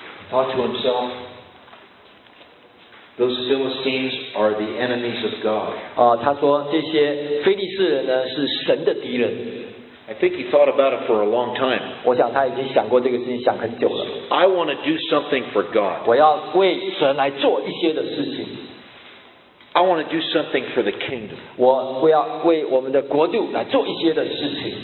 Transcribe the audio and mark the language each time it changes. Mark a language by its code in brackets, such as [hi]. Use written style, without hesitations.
[en] Thought to himself, those Philistines are the enemies of God. [zh] 他说这些非利士人呢是神的敌人。 [en] I think he thought about it for a long time. [zh] 我想他已经想过这个事情想很久了。 [en] I want to do something for God. [zh] 我要为神来做一些的事情。 [en] I want to do something for the kingdom. [zh] 我要为我们的国度来做一些的事情。